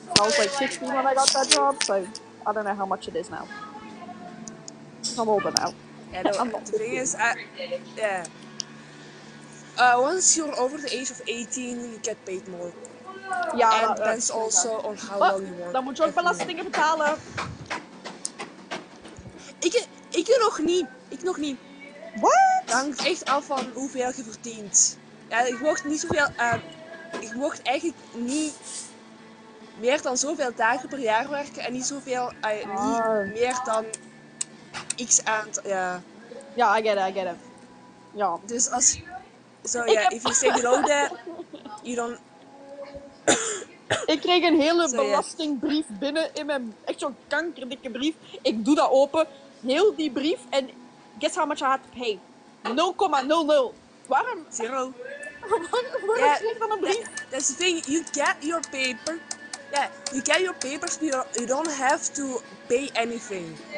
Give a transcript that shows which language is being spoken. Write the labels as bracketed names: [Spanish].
[English] I was like 16 when I got that job, so I don't know how much it is now. I'm older now. Once you're over the age of 18, you get paid more. Yeah, and that's also on how long you work. [Dutch] Dan moet je ook belastingen betalen. Ik nog niet. Wat? Hangt echt af van hoeveel je verdient. Ja, ik mocht niet zoveel. Ik mocht eigenlijk niet meer dan zoveel dagen per jaar werken en niet zoveel. Niet meer dan x aantal. Ja. [English] Ja, yeah, I get it. Ja. Yeah. [Dutch] Dus als. [English] Zo ja, if you stay below that, you don't. [Dutch] Ik kreeg een hele belastingbrief binnen in mijn. Echt zo'n kankerdikke brief. Ik doe dat open, heel die brief en. [English] Guess how much I had to pay? 0,00. [Dutch] Waarom? [English] Zero. [Dutch] Waarom yeah, schreef dan een brief? [English] That's the thing, you get your paper. Yeah, you get your papers, but you don't have to pay anything.